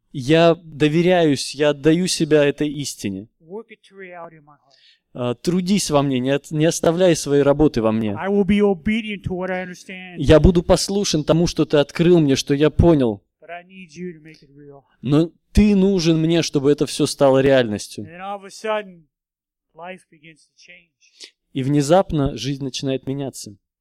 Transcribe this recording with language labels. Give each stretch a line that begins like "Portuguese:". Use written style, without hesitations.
Russian: Я доверяюсь, я отдаю себя этой истине.
English: Work it to reality in my heart.
Russian: Трудись во мне, не оставляй своей работы во мне.
English: I will be obedient to what I understand.
Russian: Я буду послушен тому, что ты открыл мне, что я понял.
English: But I need you to make it real.
Russian: Но ты нужен мне, чтобы это все стало реальностью.
English: And all of a sudden, life begins to change.
Russian: И внезапно жизнь начинает меняться.